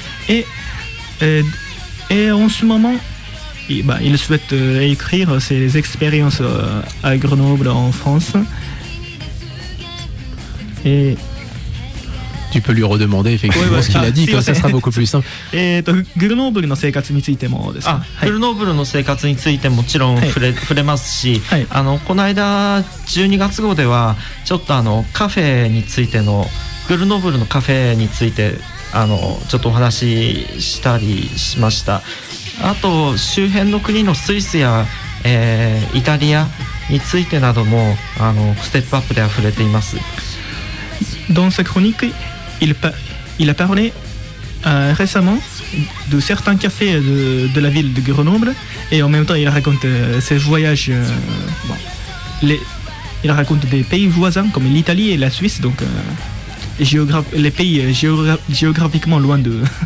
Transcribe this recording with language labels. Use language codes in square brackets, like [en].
[fr] Et en ce moment, il souhaite écrire ses expériences à Grenoble en France. Et tu peux lui redemander effectivement ce qu'il a dit, ça sera beaucoup plus simple. Et [ja] Grenoble の生活についてもですか？ Grenoble の生活についてもちろん触れますし、この間12月号ではちょっとカフェについてのグルノーブルのカフェについてちょっとお話ししたりしました。あと周辺の国のスイスや、イタリアについてなどもステップアップで溢れています。 [fr] Dans sa chronique, il a parlé récemment de certains cafés de la ville de Grenoble et en même temps il raconte ses voyages. Il raconte des pays voisins comme l'Italie et la Suisse, donc les pays géographiquement loin de.